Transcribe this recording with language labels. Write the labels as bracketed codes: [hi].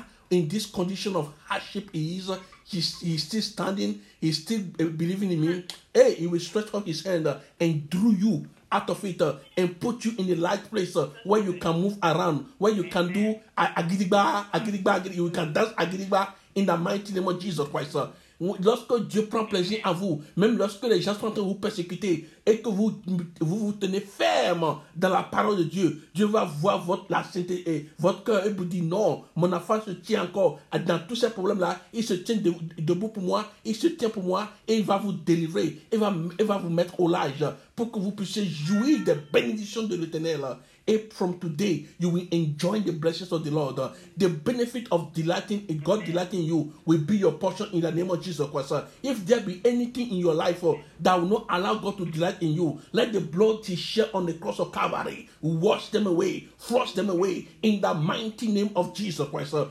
[en] In this condition of hardship, he's still standing. He's still believing in me. Hey, he will stretch out his hand and drew you out of it and put you in a light place where you can move around, where you can do agiriba, agiriba, agiriba. You can dance agiriba in the mighty name of Jesus Christ. [fr] Lorsque Dieu prend plaisir à vous, même lorsque les gens sont en train de vous persécuter et que vous tenez ferme dans la parole de Dieu, Dieu va voir la sainteté et votre cœur et vous dit non, mon enfant se tient encore dans tous ces problèmes-là, il se tient debout pour moi, il se tient pour moi et il va vous délivrer, il va vous mettre au large pour que vous puissiez jouir des bénédictions de l'Éternel. [en] And from today, you will enjoy the blessings of the Lord. The benefit of delighting in God, delighting in you, will be your portion in the name of Jesus Christ. If there be anything in your life that will not allow God to delight in you, let the blood he shed on the cross of Calvary wash them away, flush them away in the mighty name of Jesus Christ.